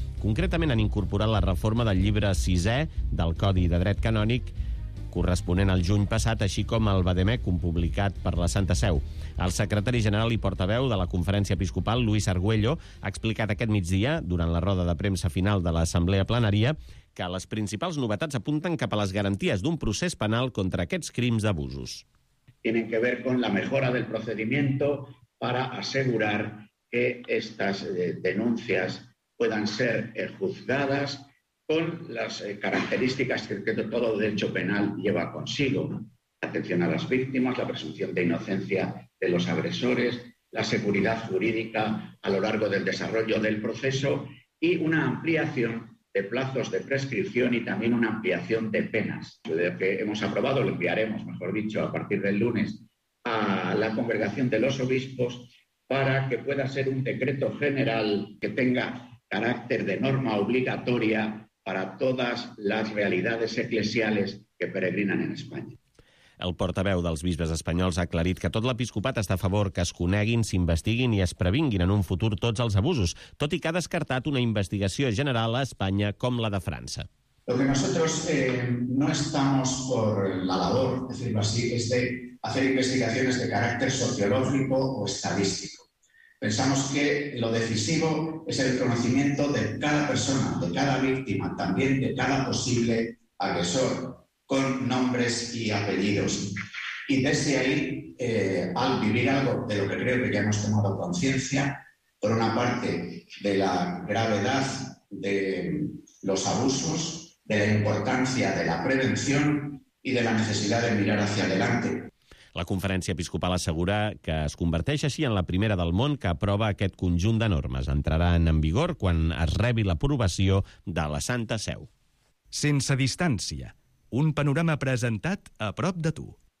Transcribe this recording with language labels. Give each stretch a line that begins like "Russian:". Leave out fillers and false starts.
Catalan: Concretament han incorporat la reforma del llibre 6è del Codi de Dret Canònic corresponent al juny passat, així com el Vademecum publicat per la Santa Seu. El secretari general i portaveu de la Conferència Episcopal, Luis Argüello, ha explicat aquest migdia, durant la roda de premsa final de l'Assemblea Plenària, que les principals novetats apunten cap a les garanties d'un procés penal contra aquests crims d'abusos.
Spanish: Tienen que ver con la mejora del procedimiento para asegurar que estas denuncias puedan ser juzgadas con las características que todo derecho penal lleva consigo, ¿no? Atención a las víctimas, la presunción de inocencia de los agresores, la seguridad jurídica a lo largo del desarrollo del proceso y una ampliación de plazos de prescripción y también una ampliación de penas. Lo que hemos aprobado, lo enviaremos, mejor dicho, a partir del lunes a la Congregación de los Obispos para que pueda ser un decreto general que tenga carácter de norma obligatoria para todas las realidades eclesiales que peregrinan en España. El portaveu dels bisbes espanyols ha aclarit que tot l'episcopat està a favor que es coneguin, s'investiguin i es previnguin en un futur tots els abusos, tot i que ha descartat una investigació general a Espanya com la de França. Lo que nosotros no estamos por la labor, decirlo así, es de hacer investigaciones de carácter sociológico o estadístico. Pensamos que lo decisivo es el conocimiento de cada persona, de cada víctima, también de cada posible agresor, con nombres y apellidos. Y desde ahí, al vivir algo de lo que creo que ya hemos tomado conciencia, por una parte de la gravedad de los abusos, de la importancia de la prevención y de la necesidad de mirar hacia adelante.
Catalan: La Conferència Episcopal assegura que es converteix així en la primera del món que aprova aquest conjunt de normes. Entraran en vigor quan es rebi l'aprovació de la Santa Seu. Sense distància. Un panorama presentat a prop de tu.